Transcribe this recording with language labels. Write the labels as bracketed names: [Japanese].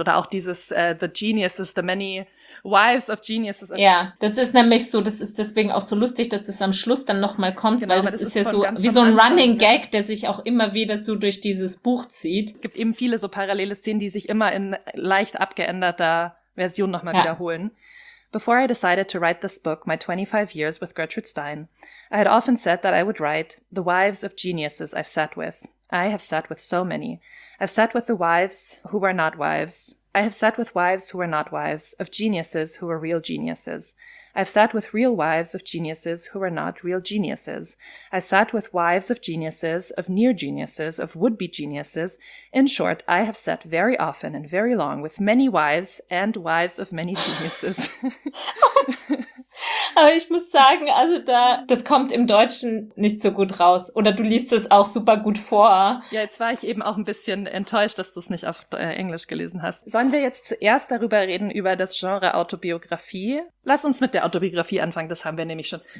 [German] Oder auch dieses [English] the geniuses, the many wives of geniuses. [German] Ja, das ist nämlich so, das ist deswegen auch so lustig, dass das am Schluss dann nochmal kommt, genau, weil das ist ja so wie so ein Running Gag, der sich auch immer wieder so durch dieses Buch zieht. Es gibt eben viele so parallele Szenen, die sich immer in leicht abgeänderter Version nochmal wiederholen. [English] Before I decided to write this book, my 25 years with Gertrude Stein, I had often said that I would write the wives of geniuses I've sat with. I have sat with so many. I've sat with the wives who were not wives. I have sat with wives who were not wives, of geniuses who were real geniuses. I've sat with real wives of geniuses who were not real geniuses. I've sat with wives of geniuses, of near geniuses, of would-be geniuses. In short, I have sat very often and very long with many wives and wives of many geniuses. [German] Aber ich muss sagen, also das kommt im Deutschen nicht so gut raus. Oder du liest es auch super gut vor. Ja, jetzt war ich eben auch ein bisschen enttäuscht, dass du es nicht auf Englisch gelesen hast. Sollen wir jetzt zuerst darüber reden, über das Genre Autobiografie? Lass uns mit der Autobiografie anfangen, das haben wir nämlich schon.